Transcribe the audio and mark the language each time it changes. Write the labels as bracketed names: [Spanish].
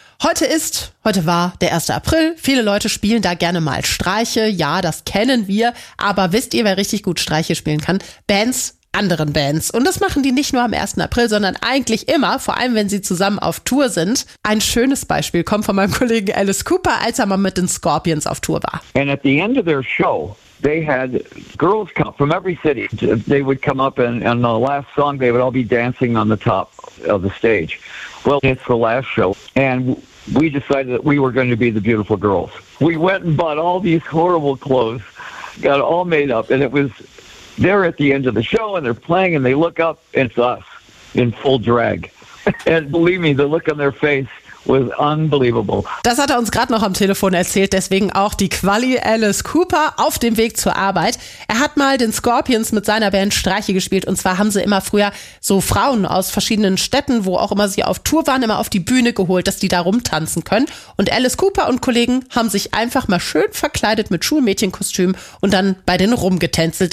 [German] Heute ist, heute war der 1. April. Viele Leute spielen da gerne mal Streiche. Ja, das kennen wir. Aber wisst ihr, wer richtig gut Streiche spielen kann? Bands anderen Bands. Und das machen die nicht nur am 1. April, sondern eigentlich immer, vor allem wenn sie zusammen auf Tour sind. Ein schönes Beispiel kommt von meinem Kollegen Alice Cooper, als er mal mit den Scorpions auf Tour war. [English] And at the end of their show, they had girls come from every city. They would come up and the last song, they would all be dancing on the top of the stage. Well, it's the last show and we decided that we were going to be the beautiful girls. We went and bought all these horrible clothes, got all made up, and it was they're at the end of the show and they're playing and they look up and it's us in full drag. And believe me, the look on their face was unbelievable. [German] Das hat er uns gerade noch am Telefon erzählt, deswegen auch die Quali Alice Cooper auf dem Weg zur Arbeit. Er hat mal den Scorpions mit seiner Band Streiche gespielt und zwar haben sie immer früher so Frauen aus verschiedenen Städten, wo auch immer sie auf Tour waren, immer auf die Bühne geholt, dass die da rumtanzen können. Und Alice Cooper und Kollegen haben sich einfach mal schön verkleidet mit Schulmädchenkostümen und dann bei denen rumgetänzelt.